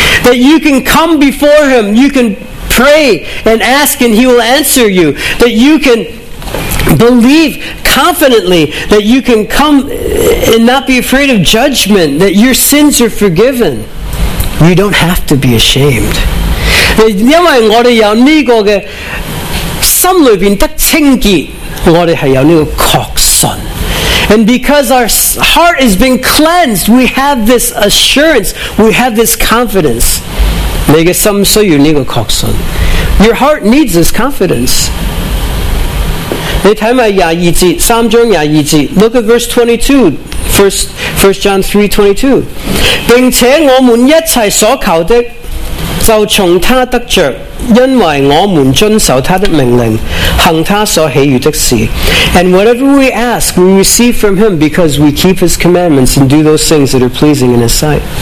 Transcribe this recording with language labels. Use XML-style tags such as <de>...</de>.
<en>That you can come before him, you can pray and ask and he will answer you. That you can believe confidently that you can come and not be afraid of judgment, that your sins are forgiven. You don't have to be ashamed.</en> <yue>因为我们有这个的心里面得清洁，我们是有这个确信。</yue> <en>And because our heart has been cleansed, we have this assurance, we have this confidence.</en> <yue>你的心需要这个确信。</yue> <en>Your heart needs this confidence.</en> <yue>你看看二十二节，三章二十二节。</yue> <en>Look at verse 22, First John 3:22.</en> <yue>并且我们一切所求的，就从他得着，因为我们遵守他的命令，行他所喜悦的事。</yue> <en>And whatever we ask, we receive from him because we keep his commandments and do those things that are pleasing in his sight.</en>